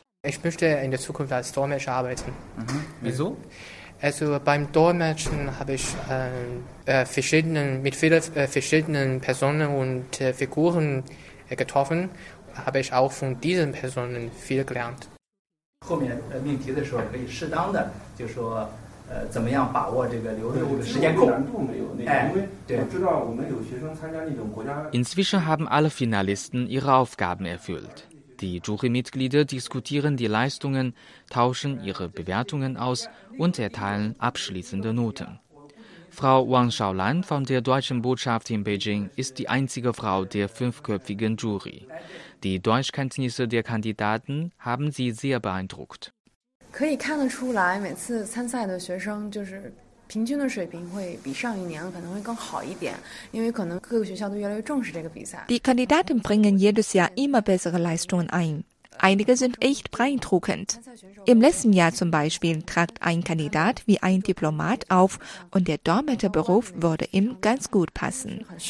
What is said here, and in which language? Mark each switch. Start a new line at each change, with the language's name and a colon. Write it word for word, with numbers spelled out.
German: Ich möchte in der Zukunft als Dolmetscher arbeiten. Mhm. Wieso? Also beim Dolmetschen habe ich äh, äh, verschiedenen, mit vielen äh, verschiedenen Personen und äh, Figuren äh, getroffen, habe ich auch von diesen Personen viel gelernt.
Chinese: 后面呃命题的时候可以适当的就说呃怎么样把握这个流动时间控难度没有那个、哎、因为我知道我们有学生参加那种国家。
German: Inzwischen haben alle Finalisten ihre Aufgaben erfüllt. Die Jurymitglieder diskutieren die Leistungen, tauschen ihre Bewertungen aus und erteilen abschließende Noten. Frau Wang Shaolan von der Deutschen Botschaft in Beijing ist die einzige Frau der fünfköpfigen Jury. Die Deutschkenntnisse der Kandidaten haben sie sehr beeindruckt.
Chinese: 可以看得出来，每次参赛的学生就是平均的水平会比上一年可能会更好一点，因为可能各个学校都越来越重视这个比赛。
German: Die Kandidaten bringen jedes Jahr immer bessere Leistungen ein. Einige sind echt beeindruckend. Im letzten Jahr zum Beispiel trat ein Kandidat wie ein Diplomat auf und der Dolmetscherberuf würde ihm ganz gut passen.